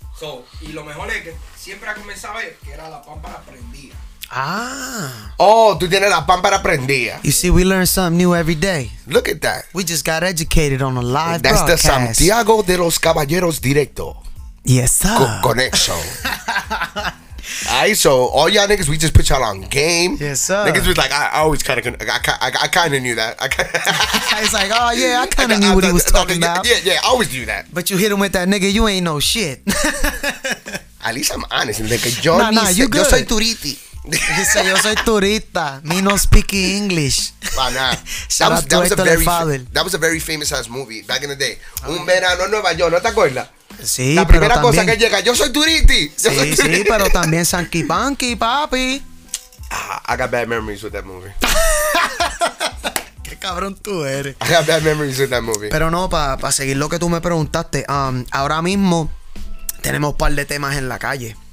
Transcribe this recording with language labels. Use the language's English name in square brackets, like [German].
[Spanish] So, y lo mejor es que siempre ha comenzado que era la pámpara prendida. Ah. Oh, tú tienes la pámpara prendida. [English] You see, we learn something new every day. Look at that. We just got educated on a live That's broadcast. The Santiago de los Caballeros directo. Yes, sir. Connection. All right, so all y'all niggas, we just put y'all on game. Yes, sir. Niggas was like, I always kind of knew that. He's like, oh, yeah, I kind of knew what he was talking about. Yeah, I always knew that. But you hit him with that, nigga, you ain't no shit. At least I'm honest. Nigga, yo nah, you good. [Spanish] Yo soy turiti. [English] He said, [Spanish] yo soy turita. [English] Me no speaking English. That was a very famous ass movie back in the day. Okay. [Spanish] Un verano en Nueva York, ¿no te acuerdas? Sí, la primera pero cosa que llega, yo soy turiti. Sí, pero también Sanky Panky, papi. [English] I got bad memories with that movie. [Spanish] Qué cabrón tú eres. [English] I got bad memories with that movie. [Spanish] Pero no, para pa seguir lo que tú me preguntaste, ahora mismo tenemos un par de temas en la calle.